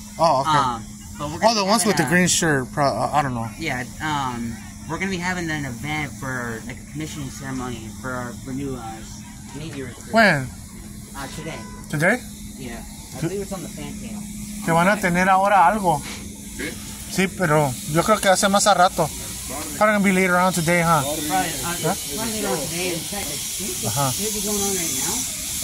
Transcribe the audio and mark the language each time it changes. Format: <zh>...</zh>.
<en>Oh. Okay. The green shirt. I don't know. Yeah. We're gonna be having an event for like a commissioning ceremony for our new Navy recruit. When? Today. Today? Yeah. I believe it's on the fan cam.</en> <es>Que van a tener ahora algo. Sí, pero yo creo que hace más a rato.</es> <en>Probably gonna be later on today, huh? Probably later on today. In fact, I think it's going on right now.</en>